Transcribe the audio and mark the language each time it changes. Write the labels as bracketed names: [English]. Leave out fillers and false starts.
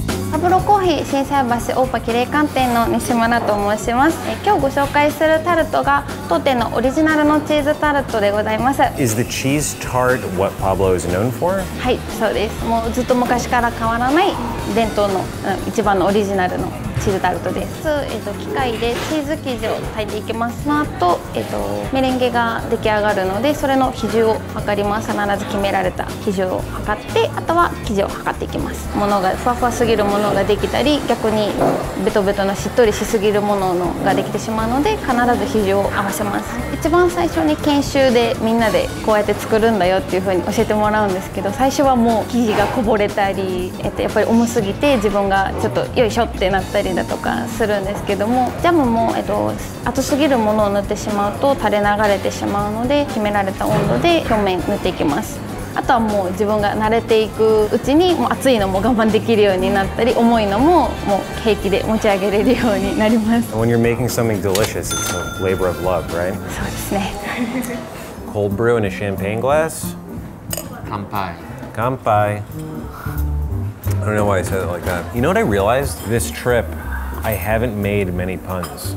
[Japanese] サブロコーヒー心斎橋大パキレイ館店の西村と申します。今日ご紹介するタルトが当店のオリジナルのチーズタルトでございます。 [English] Is the cheese tart what Pablo is known for? [Japanese] はい、そうです。もうずっと昔から変わらない伝統の、一番のオリジナルのチーズタルトです。機械でチーズ生地を炊いていきます。その後、メレンゲが出来上がるのでそれの比重を測ります。必ず決められた比重を測って、あとは生地を測っていきます。ものがふわふわすぎるものができたり、逆にベトベトなしっとりしすぎるものができてしまうので必ず比重を合わせます。一番最初に研修でみんなでこうやって作るんだよっていう風に教えてもらうんですけど、最初はもう生地がこぼれたり、やっぱり重すぎて自分がちょっとよいしょってなったりだとかするんですけども、ジャムも厚すぎるものを塗ってしまうと垂れ流れてしまうので決められた温度で表面塗っていきます。あとはもう自分が慣れていくうちに、もう熱いのも我慢できるようになったり、重いのももう平気で持ち上げれるようになります。 [English] When you're making something delicious, it's a labor of love, right? [Japanese] そうですね。 [English] Cold brew in a champagne glass? [Japanese] 乾杯。乾杯。 [English] I don't know why I said it like that. You know what I realized? This trip, I haven't made many puns.